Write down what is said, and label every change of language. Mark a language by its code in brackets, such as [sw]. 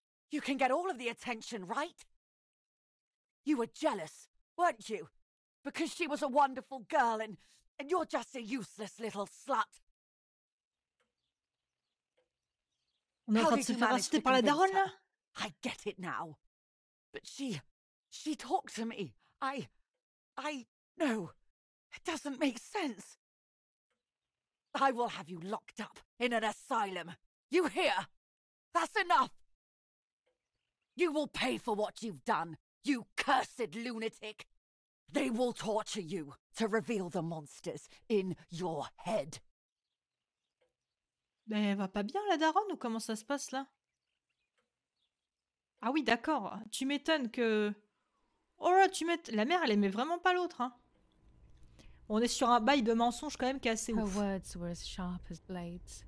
[en] You can get all of the attention, right? You were jealous, weren't you? Because she was a wonderful girl and you're just a useless little slut. [fr] On est en train de se faire inciter par la daronne, là ? [en] I get it now. But she talked to me. I no. It doesn't make sense. I will have you locked up in an asylum. You hear? That's enough. You will pay for what you've done, you cursed lunatic. They will torture you to reveal the monsters in your head. [fr] Mais elle va pas bien, la daronne, ou comment ça se passe, là? Ah oui, d'accord. Tu m'étonnes que... Oh là, tu m'étonnes... La mère, elle aimait vraiment pas l'autre, hein. On est sur un bail de mensonge, quand même, qui est assez ouf. Ses mots étaient aussi [en] sharp [fr] que [en] blades.